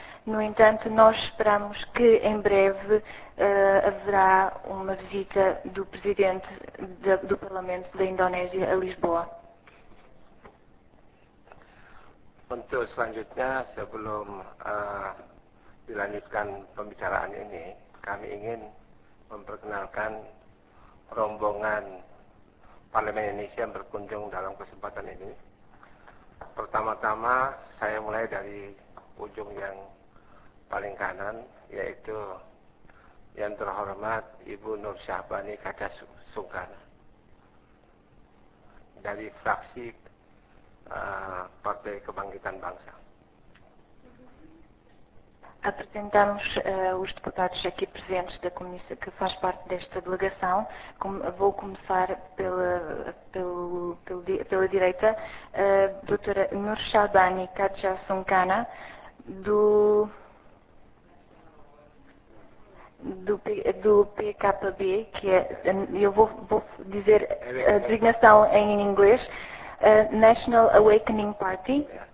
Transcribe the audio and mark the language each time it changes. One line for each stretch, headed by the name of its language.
Portuguese: No entanto, nós esperamos que em breve haverá uma visita do Presidente do Parlamento da Indonésia a Lisboa.
Indonesian: Untuk selanjutnya, sebelum dilanjutkan pembicaraan ini, kami ingin memperkenalkan rombongan Parlemen Indonesia yang berkunjung dalam kesempatan ini. Pertama-tama, saya mulai dari ujung yang paling kanan, yaitu yang terhormat Ibu Nur Syahbani Kaca Sungkana dari fraksi Partai Kebangkitan Bangsa.
Portuguese: Apresentamos os deputados aqui presentes da comissão que faz parte desta delegação. Vou começar pela direita, doutora Nur Syahbani Kaca Sungkana do PKB, que é, eu vou dizer a designação em inglês, National Awakening Party.